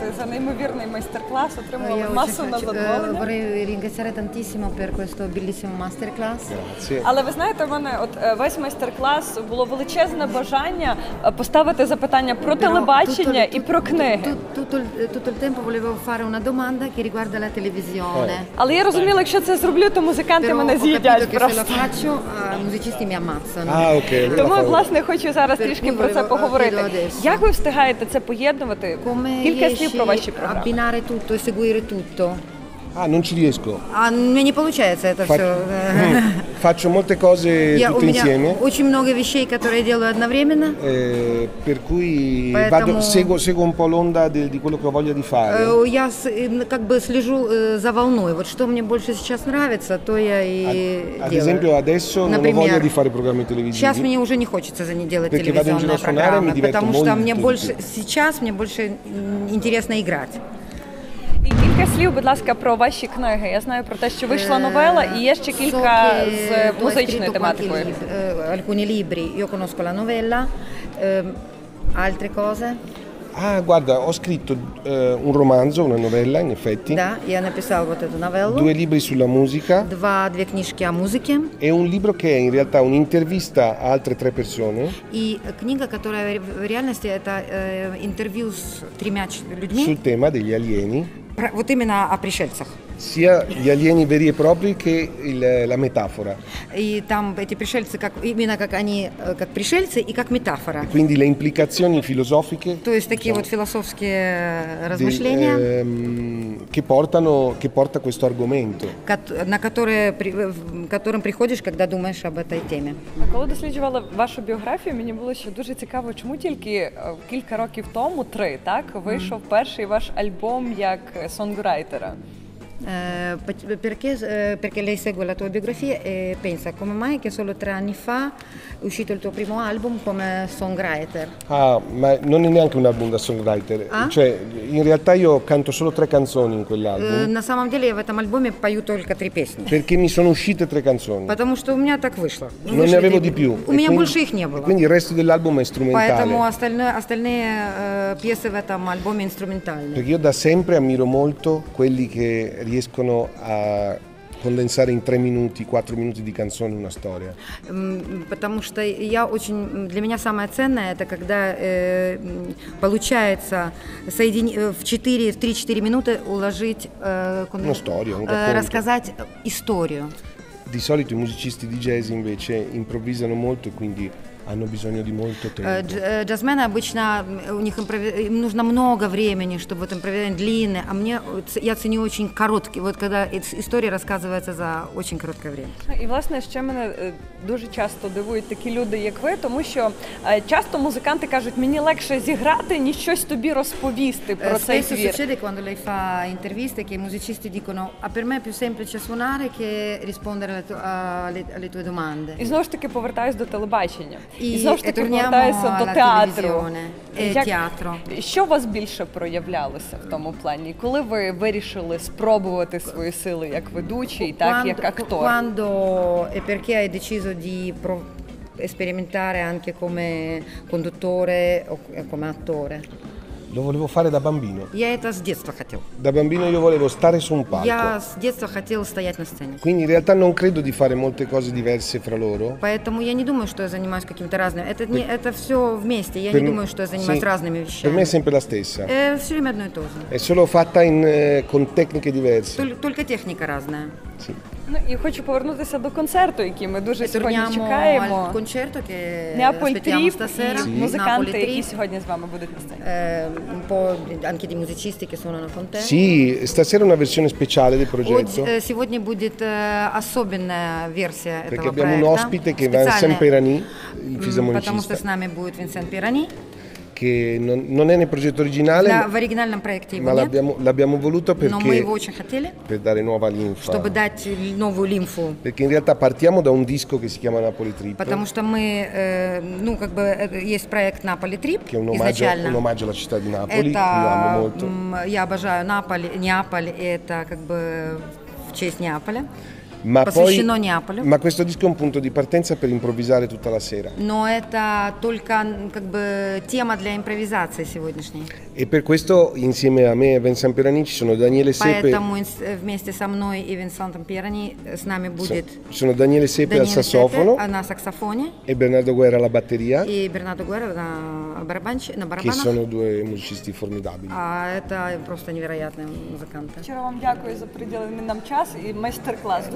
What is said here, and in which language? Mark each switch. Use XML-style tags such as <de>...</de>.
<uk>неймовірний майстер-клас, отримала масу задоволення.</uk> <it>Vorrei ringraziare tantissimo per questo bellissimo masterclass. Grazie.</it> <uk>Але ви знаєте, в мене от весь майстер-клас було величезне бажання поставити запитання про телебачення і про книги.</uk> <it>Tutto il tempo volevo fare una domanda che riguarda la televisione.</it> <uk>Але я розуміла, якщо це зроблю, то музиканти мене з'їдять просто.</uk> <it>Però ho capito che se lo faccio,</it> <uk>музичисти мені</uk> <it>ammazzano. Ah, okay.</it> <uk>Тому, власне, хочу зараз трішки про це поговорити. Як ви встигаєте це поєднувати? Кілька слів про ваші програми.</uk> <it>Abbinare tutto e seguire tutto. Ah, non ci riesco.</it> <ru>Мені не получается это все.</ru> <it>Faccio molte cose tutte insieme.</it> <ru>Очень много вещей, которые делаю одновременно.</ru> <it>Per cui vado, seguo un po' l'onda di quello che ho voglia di fare.</it> <ru>Я как бы слежу за волной. Вот что мне больше сейчас нравится, то я и делаю.</ru> <it>Ad esempio, adesso non ho voglia di fare programmi televisivi.</it> <ru>Сейчас мне уже не хочется за не делать телевизионные программы, потому что мне больше сейчас мне больше интересно играть.</ru> <uk>Кілька слів, будь ласка, про ваші книги. Я знаю про те, що вийшла новела, і є ще кілька з музичною тематикою.</uk> <it>Alcuni libri. Io conosco la novella. Altre cose? Ah, guarda, ho scritto un romanzo, una novella, in effetti.</it> <ru>Da, я написав вот эту новеллу.</ru> <it>Due libri sulla musica. Due</it> <ru>книжки о музыке.</ru> <it>E un libro che è in realtà un'intervista a altre tre persone.</it> <ru>И книга, которая в реальности это интервью с тремя людьми.</ru> <it>Sul tema degli alieni.</it> <ru>Вот именно о пришельцах.</ru> <it>Sia gli alieni veri e propri che la metafora.</it> <ru>И там эти пришельцы как именно как они как пришельцы и как метафора.</ru> <it>E quindi le implicazioni filosofiche.</it> <ru>То есть такие вот философские размышления.</ru> <it>Che porta questo argomento.</it> <ru>На которые которым приходишь, когда думаешь об этой теме.</ru> <uk>А коли досліджувала вашу біографію, мені було ще дуже цікаво, чому тільки кілька років тому, три, так, вийшов перший ваш альбом як сонграйтера?</uk> <it>Perché lei segue la tua biografia e pensa come mai che solo tre anni fa è uscito il tuo primo album come songwriter? Ah, ma non è neanche un album da songwriter. Ah? Cioè, in realtà io canto solo tre canzoni in quell'album.</it> <ru>На самом деле, в этом альбоме пою только три песни.</ru> <it>Perché mi sono uscite tre canzoni.</it> <ru>Потому что у меня так вышло.</ru> <it>Non ne avevo di più.</it> <ru>У меня больше их не было.</ru> <it>Quindi il resto dell'album è strumentale.</it> <ru>Поэтому остальные пьесы в этом альбоме инструментальные.</ru> <it>Perché io da sempre ammiro molto quelli che riescono a condensare in tre minuti, quattro minuti di canzone una storia.</it> <ru>Потому что я очень для меня самое ценное это когда получается в 3-4 минуты уложить</ru> <it>una storia, un racconto.</it> <ru>Рассказать историю.</ru> <it>Di solito i musicisti di jazz invece improvvisano molto e quindi hanno bisogno di molto tempo.</it> <ru>Джазмены обычно у них им нужно много времени, чтобы вот импровизировать длинные, а мне я ценю очень короткие. Вот когда история рассказывается за очень короткое время.</ru> <uk>И, власне, ще мене дуже часто дивують такі люди, як ви, тому що часто музиканти кажуть, мені легше зіграти, ніж щось тобі розповісти про цей твір.</uk> <it>Spesso succede quando lei fa interviste che i musicisti dicono, a per me è più semplice suonare che rispondere alle tue domande.</it> <uk>І знову ж таки повертаюсь до телебачення. І знову ж таки повертаюся до театру. Театру. Що у вас більше проявлялося в тому плані? Коли ви вирішили спробувати свої сили як ведучий, так і як актор?</uk> <it>Quando e perché hai deciso di sperimentare anche come conduttore o come attore? Lo volevo fare da bambino.</it> <ru>Я это с детства хотел.</ru> <it>Da bambino io volevo stare su un palco.</it> <ru>Я с детства хотел стоять на сцене.</ru> <it>Quindi in realtà non credo di fare molte cose diverse fra loro.</it> <ru>Поэтому я не думаю, что я занимаюсь каким-то разным. Это все вместе. Я не думаю, что я занимаюсь разными вещами.</ru> <it>Per me è sempre la stessa.</it> <ru>È все время одно и то же.</ru> <it>È solo fatta con tecniche diverse.</it> <ru>Только техника разная.</ru> <it>Sì.</it> <uk>Ну, і хочу повернутися до концерту, який ми дуже сьогодні чекаємо.</uk> <it>Al concerto che Neapoli aspettiamo stasera. Sì.</it> <uk>Музиканти, які сьогодні з вами будуть на сцені.</uk> <it>Un po' anche di musicisti che suonano con te. Sì, stasera una versione speciale del progetto. Oggi,</it> <uk>сьогодні буде особлена версія</uk> <ru>этого проекта.</ru> <it>Abbiamo un ospite che è Vincent Peirani, il fisarmonicista.</it> <ru>Потому что с нами будет Vincent Peirani.</ru> <it>Che non è nel progetto originale,</it> <ru>в оригинальном проекте</ru> <it>ma l'abbiamo voluto perché</it> <ru>мы его очень хотели,</ru> <it>per dare nuova linfa,</it> <ru>чтобы дать новую лимфу.</ru> <it>Perché in realtà partiamo da un disco che si chiама Napoli Trip.</it> <ru>Потому что мы, ну как бы есть проект Napoli Trip,</ru> <it>che è un omaggio alla città di Napoli,</it> <ru>это,</ru> <it>io amo molto.</it> <ru>Я обожаю Неаполь, Неаполь это как бы в честь Неаполя.</ru> <it>Ma</it> <ru>посвящено</ru> <it>poi,</it> <ru>Неаполю.</ru> <it>Ma questo disco è un punto di partenza per improvvisare tutta la sera.</it> <ru>Но это только как бы тема для импровизации сегодняшней.</ru> <it>E per questo insieme a me e Vincent Peirani ci sono Danielle Sepe.</it> <ru>Поэтому вместе со мной и Винсентом Пирани с нами будет.</ru> <it>Sono Danielle Sepe al sassofono.</it> <ru>На саксофоне.</ru> <it>E Bernardo Guerra alla batteria.</it> <ru>И Бернардо Гуэра на барабанчике, на барабанах.</ru> <it>Che sono due musicisti formidabili.</it> <ru>А это просто невероятные музыканты.</ru> <uk>Вчера вам дякую за приділений нам час і майстер-клас.</uk>